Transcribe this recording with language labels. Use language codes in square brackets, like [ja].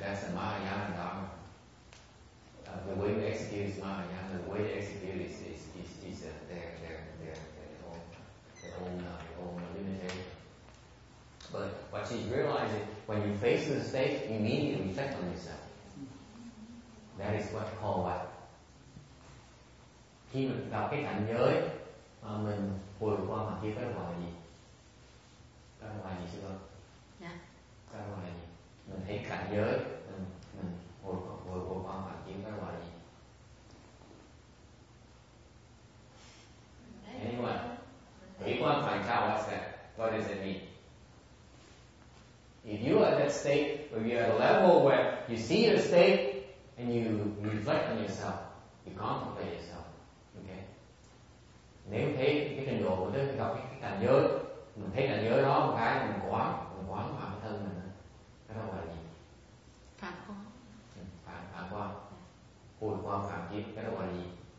[en] That's a Mahayana Dharma. The way we execute is Mahayana, the way to execute is their own limitation. But what she's realizing, when you face the state, you immediately reflect on yourself. That is what called what? [vi] Khi mình gặp cái cảnh giới mà mình vượt qua mà kia phải hoài gì? Phải hoài gì chứ không? Dạ. Phải hoài gì? Mình thấy cảnh giới, mình vượt qua mà kia phải hoài gì? [en] Anyone? Thủy quan phản trao, what's that? What does it mean? If you are at that state, or you are at a level where you see your state and you reflect on yourself, you contemplate yourself, okay? [vi] Nếu thấy cái trình độ của mình gặp cái cảnh giới, mình thấy cảnh giới đó một cái mình quán bản thân mình, cái đó gọi là gì? Phản quan. Hồi quan phản kiếp, cái đó gọi là gì?